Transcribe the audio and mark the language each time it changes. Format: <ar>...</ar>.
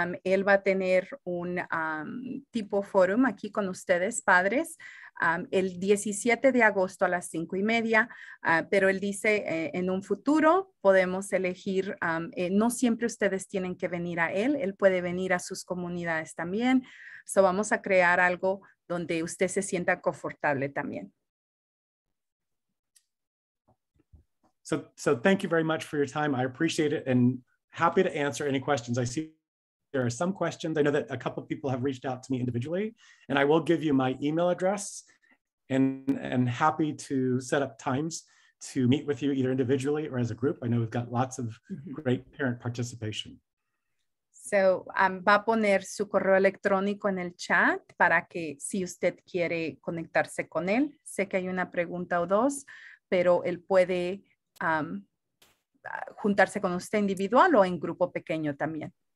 <es>Él va a tener un tipo forum aquí con ustedes, padres, el 17 de agosto a las 5:30. Pero él dice, en un futuro podemos elegir, no siempre ustedes tienen que venir a él. Él puede venir a sus comunidades también. So vamos a crear algo donde usted se sienta confortable también.</es> <en>So thank you very much for your time. I appreciate it and happy to answer any questions. I see there are some questions. I know that a couple of people have reached out to me individually, and I will give you my email address and happy to set up times to meet with you either individually or as a group. I know we've got lots of great parent participation.</en> <es>So va a poner su correo electrónico en el chat para que si usted quiere conectarse con él. Sé que hay una pregunta o dos, pero él puede juntarse con usted individual o en grupo pequeño también.</es>